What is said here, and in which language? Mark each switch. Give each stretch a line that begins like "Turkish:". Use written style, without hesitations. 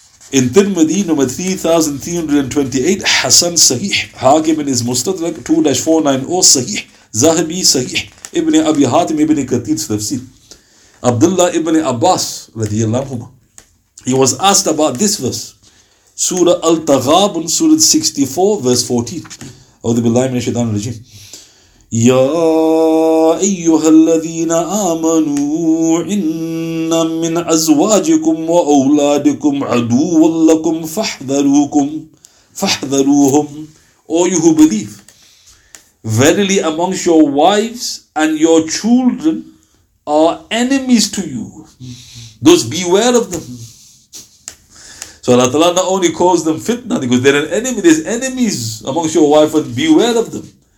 English: In Tirmidhi number 3328, Hassan Sahih, Hakim in his Mustadrak 2-490 Sahih, Zahabi Sahih, Ibn Abi Hatim Ibn Kathir's tafsir. Abdullah Ibn Abbas radiyallahu anhuma, he was asked about this verse, Surah Al-Taghabun, Surah 64, verse 14.
Arabic: A'udhu billahi minash shaitanir rajim. يا أيها الذين آمنوا إن من أزواجكم وأولادكم عدو لكم فاحذروكم فاحذروهم.
English: O you who believe, verily amongst your wives and your children are enemies to you. Thus beware of them. So Allah Ta'ala not only calls them fitna, because they're an enemy, there's enemies amongst your wife, and beware of them.